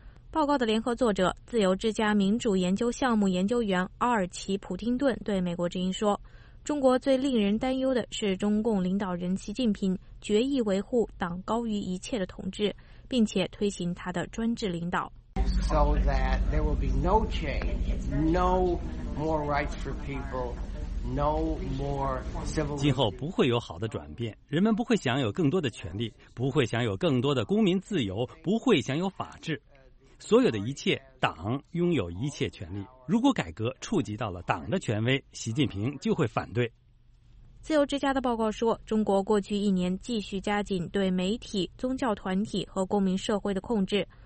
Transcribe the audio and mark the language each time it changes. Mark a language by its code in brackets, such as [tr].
[zh] 报告的联合作者、自由之家民主研究项目研究员阿尔奇·普丁顿对美国之音说，中国最令人担忧的是中共领导人习近平决意维护党高于一切的统治，并且推行他的专制领导。 [en] So that there will be no change, no more rights for people, no more civil. [zh] 今后不会有好的转变，人们不会享有更多的权利，不会享有更多的公民自由，不会享有法治。所有的一切，党拥有一切权利。如果改革触及到了党的权威，习近平就会反对。自由之家的报告说，中国过去一年继续加紧对媒体、宗教团体和公民社会的控制。